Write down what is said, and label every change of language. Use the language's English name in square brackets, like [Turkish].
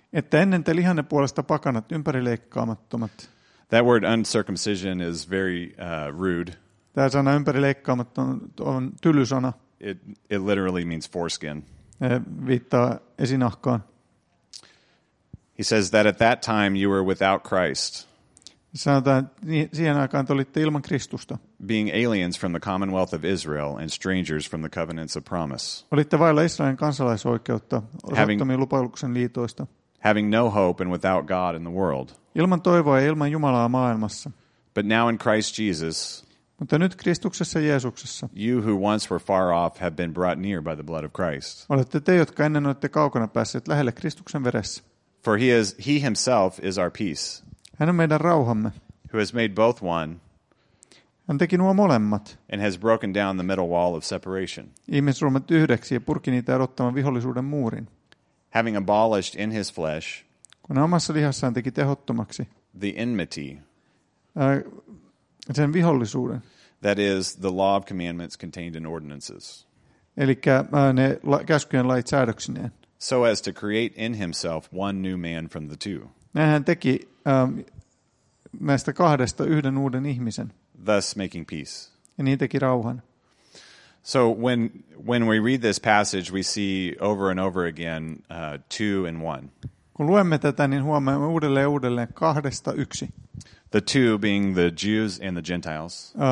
[Finnish] Että ennen te lihanne puolesta pakanat, ympärileikkaamattomat. [English] That word uncircumcision is very rude. [Finnish] Tämä sana ympärileikkaamattomat on tyly sana. [English] It literally means foreskin. [Finnish] Viittaa esinahkaan. [English] He says that at that time you were without Christ. [Finnish] Sanotaan, siihen aikaan te olitte ilman Kristusta. [English] Being aliens from the commonwealth of Israel and strangers from the covenants of promise. [Finnish] Olitte vailla Israelin kansalaisoikeutta, osattomia lupauksen liitoista. [English] Having no hope and without God in the world. [Finnish] Ilman toivoa ja ilman Jumalaa maailmassa. [English] But now in Christ Jesus. [Finnish] Mutta nyt Kristuksessa Jeesuksessa. [English] You who once were far off have been brought near by the blood of Christ. [Finnish] Olette te, jotka ennen olette kaukana päässeet lähelle Kristuksen veressä. [English] For he himself is our peace. [Finnish] Hän on meidän rauhamme. [English] Who has made both one. [Finnish] Hän teki nuo molemmat. [English] And has broken down the middle wall of separation. [Finnish] Ihmisruumat yhdeksi ja purki niitä erottavan vihollisuuden muurin. [English] Having abolished in his flesh. [Finnish] Kun omassa lihassaan teki tehottomaksi. [English] The enmity. [Finnish] Sen vihollisuuden. [English] That is the law of commandments contained in ordinances. [Finnish] Elikkä ne käskyjen lait säädöksineen. [English] so as to create in himself one new man from the two. [Finnish] Hän teki näistä kahdesta yhden uuden ihmisen. [English] Thus making peace. [Finnish] Ja niin teki rauhan. [English] So when we read this passage, we see over and over again two and one. [Finnish] Kun luemme tätä, niin huomaamme uudelleen uudelleen kahdesta yksi. [English] The two being the Jews and the Gentiles.